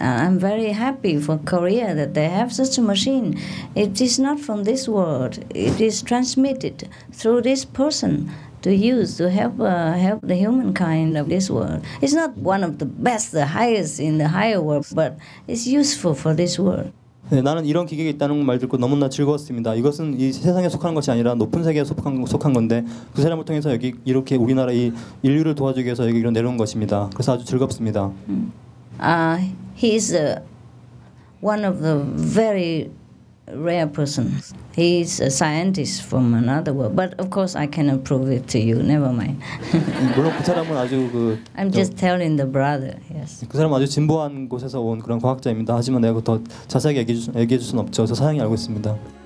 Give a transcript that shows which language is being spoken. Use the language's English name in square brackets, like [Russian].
[English] I'm very happy for Korea that they have such a machine. It is not from this world. It is transmitted through this person. to use to help help the humankind of this world. It's not one of the best, the highest in the higher world, but it's useful for this world. [Korean] 네, 나는 이런 기계가 있다는 말 듣고 너무나 즐거웠습니다. 이것은 이 세상에 속한 것이 아니라 높은 세계에 속한 건데 두 사람을 통해서 여기 이렇게 우리나라 이 인류를 도와주기 위해서 여기 이런 내려온 것입니다. 그래서 아주 즐겁습니다. [English] He is one of the very rare persons. He is a scientist from another world. But of course, I cannot prove it to you. Never mind. [Korean] 물론 그 사람은 아주 그 [English] I'm just telling the brother. Yes. [Korean] 그 사람은 아주 진보한 곳에서 온 그런 과학자입니다. 하지만 내가 더 자세하게 얘기해 줄 수는 없죠. 저 사양이 알고 있습니다.